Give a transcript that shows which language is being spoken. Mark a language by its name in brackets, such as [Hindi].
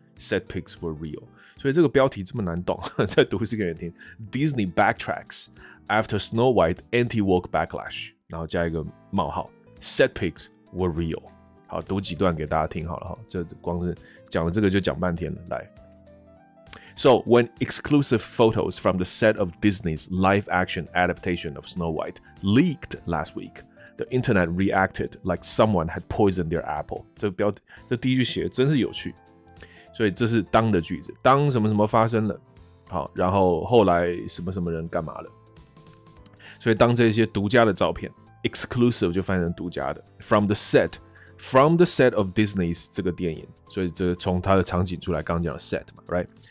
[English] Set pics were real。 [Chinese] 所以这个标题这么难懂，再读一次给人听 ： [English] Disney backtracks。 After Snow White anti-woke backlash， [Chinese] 然后加一个冒号 [English] ，set pics were real。 [Chinese] 好，读几段给大家听好了哈。这光是讲了这个就讲半天了。 [English] 来 ，So when exclusive photos from the set of Disney's live-action adaptation of Snow White leaked last week， the internet reacted like someone had poisoned their apple。 [Chinese] 这标题这第一句写真是有趣。所以这是当的句子，当什么什么发生了，好，然后后来什么什么人干嘛了。所以当这些独家的照片 exclusive 就翻译成独家的 [English] from the set of Disney's [Chinese] 这个电影，所以这从它的场景出来，刚刚讲的 set 嘛， [English] right？